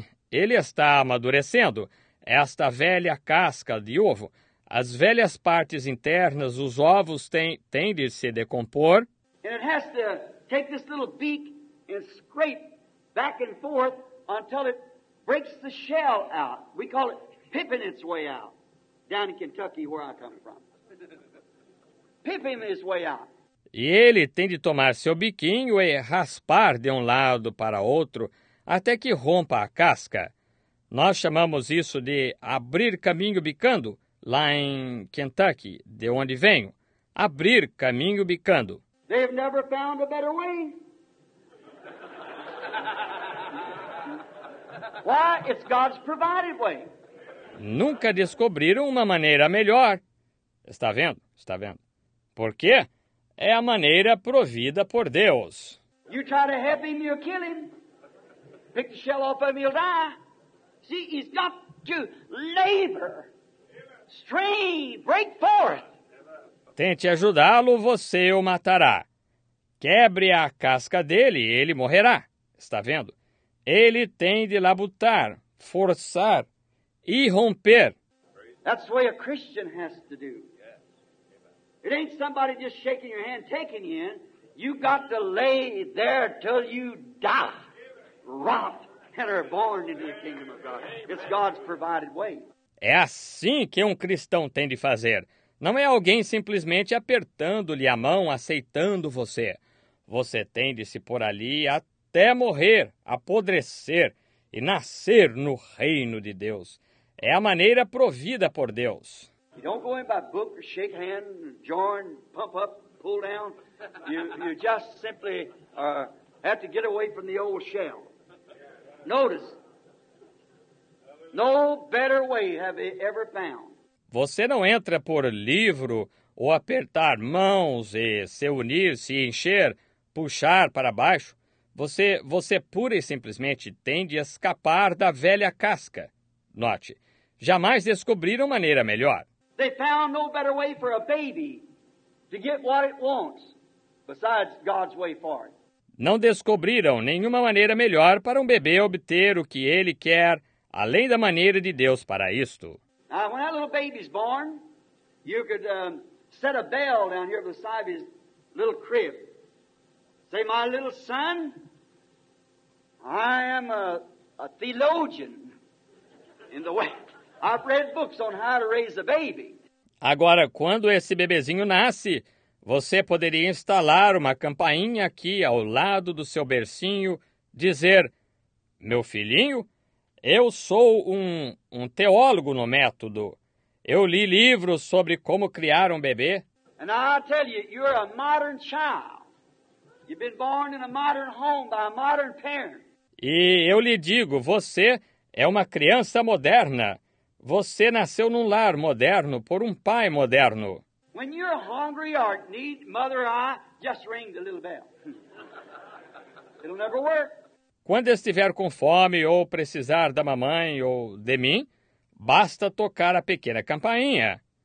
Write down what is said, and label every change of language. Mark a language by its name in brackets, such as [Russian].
[Portuguese] Ele está amadurecendo esta velha casca de ovo. As velhas partes internas, os ovos, têm de se decompor. [English] And it has to take this little beak and scrape back and forth until it breaks the shell out. We call it pipping its way out, down in Kentucky, where I come from. Pipping its way out. [Portuguese] E ele tem de tomar seu biquinho e raspar de um lado para outro até que rompa a casca. Nós chamamos isso de abrir caminho bicando. Lá em Kentucky, de onde venho, abrir caminho bicando. [English] They've never found a better way. Why? It's God's provided way. [Portuguese] Nunca descobriram uma maneira melhor. Está vendo? Está vendo? Por quê? É a maneira provida por Deus. [English] You try to help him, you'll kill him. Pick the shell off of him, he'll die. See, he's got to labor. Strain, break forth. [Portuguese] Tente ajudá-lo, você o matará. Quebre a casca dele, ele morrerá. Está vendo? Ele tem de labutar, forçar e romper. [English] That's the way a Christian has to do. It ain't somebody just shaking your hand, taking you in. You got to lay there till you die, rot, and are born into the kingdom of God. It's God's provided way. [Portuguese] É assim que um cristão tem de fazer. Não é alguém simplesmente apertando-lhe a mão, aceitando você. Você tem de se pôr ali até morrer, apodrecer e nascer no reino de Deus. É a maneira provida por Deus. [English] You don't go in by book, shake hand, join, pump up, pull down. You just simply have to get away from the old shell. Notice, no better way have you ever found. [Portuguese] Você não entra por livro ou apertar mãos e se unir, se encher, puxar para baixo. Você pura e simplesmente tem de escapar da velha casca. Note, jamais descobriram maneira melhor. [English] They found no better way for a baby to get what it wants besides God's way for it. [Portuguese] Não descobriram nenhuma maneira melhor para um bebê obter o que ele quer, além da maneira de Deus para isto. [English] Now, when that little baby's born, you could set a bell down here beside his little crib. Say, my little son, I am a theologian in the way. I've read books on how to raise a baby. [Portuguese] Agora, quando esse bebezinho nasce, você poderia instalar uma campainha aqui ao lado do seu bercinho, dizer, meu filhinho, eu sou um teólogo no método. Eu li livros sobre como criar um bebê. [English] And I tell you, you're a modern child. You've been born in a modern home by a modern parent. [Portuguese] E eu lhe digo, você é uma criança moderna. Você nasceu num lar moderno por um pai moderno. [English] When you're hungry or need, mother or I, just ring the little bell. It'll never work. [Portuguese] Quando estiver com fome ou precisar da mamãe ou de mim, basta tocar a pequena campainha.